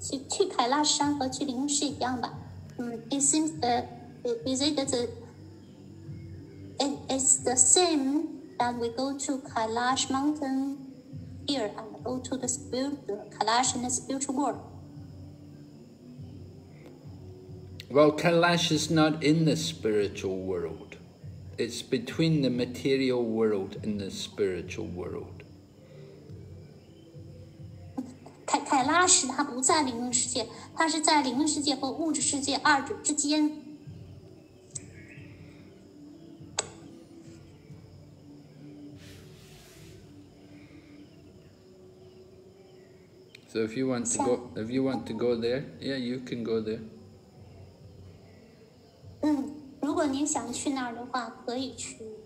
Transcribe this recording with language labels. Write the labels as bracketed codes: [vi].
[zh] 去凯拉山和去灵山是一样吧? [en] It seems is it the same that we go to Kailash Mountain here and go to the Kailash in the spiritual world? Well, Kailash is not in the spiritual world. It's between the material world and the spiritual world. [zh] 凯拉什他不在灵魂世界，他是在灵魂世界和物质世界二者之间。 [en] So if you want to go there, yeah, you can go there. [zh] 嗯，如果你想去那儿的话，可以去。